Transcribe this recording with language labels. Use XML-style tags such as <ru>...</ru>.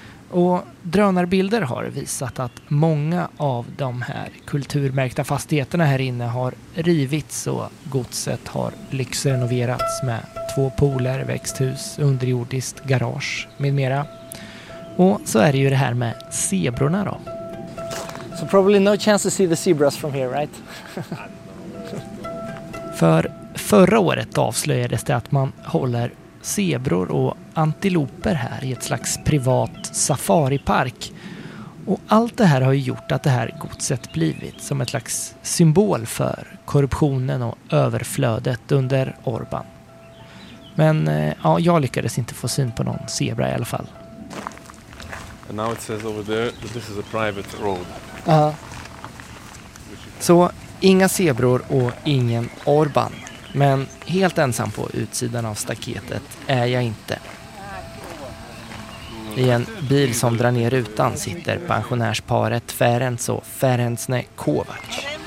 <sv>Och drönarbilder har visat att många av de här kulturmärkta fastigheterna här inne har rivits och godset har lyxrenoverats med två pooler, växthus, underjordiskt garage med mera. Och så är det ju det här med zebrorna då.</sv> <en>So probably no chance to see the zebras from here, right?</en> <sv>För förra året avslöjades det att man håller zebror och antiloper här i ett slags privat safaripark. Och allt det här har ju gjort att det här godset blivit som ett slags symbol för korruptionen och överflödet under Orbán. Men ja, jag lyckades inte få syn på någon zebra i alla fall.</sv> <en>And now it says over there that this is a private road.</en> <sv>Så inga zebror och ingen Orbán. Men helt ensam på utsidan av staketet är jag inte. I en bil som drar ner rutan sitter pensionärsparet Ferenc och Ferencne Kovács.</sv>